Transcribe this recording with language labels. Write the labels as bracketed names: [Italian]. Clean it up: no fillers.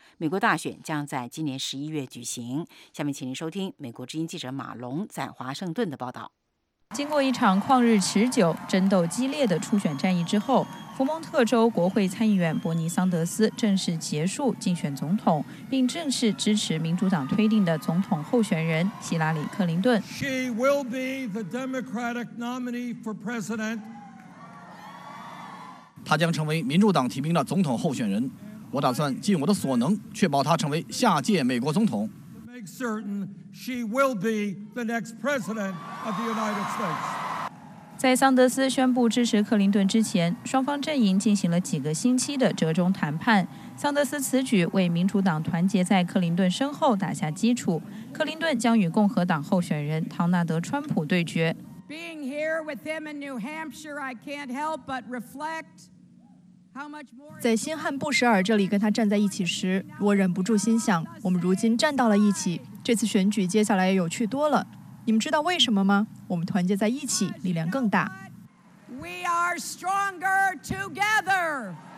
[Chinese] 美国大选将在今年11月举行。下面请您收听美国之音记者马龙在华盛顿的报道。经过一场旷日持久、争斗激烈的初选战役之后，福蒙特州国会参议员伯尼·桑德斯正式结束竞选总统，并正式支持民主党推定的总统候选人希拉里·克林顿。 [English] She will be the Democratic nominee for president. [Chinese] 他将成为民主党提名的总统候选人。我打算尽我的所能确保他成为下届美国总统。 [English] Make certain she will be the next president of the United States. [Chinese] 在桑德斯宣布支持克林顿之前，双方阵营进行了几个星期的折中谈判。桑德斯此举为民主党团结在克林顿身后打下基础。克林顿将与共和党候选人唐纳德·川普对决。 [English] Being here with him in New Hampshire, I can't help but reflect. [Chinese] 在新罕布什尔这里跟他站在一起时，我忍不住心想，我们如今站到了一起，这次选举接下来有趣多了。你们知道为什么吗？我们团结在一起，力量更大。 [English] We are stronger together.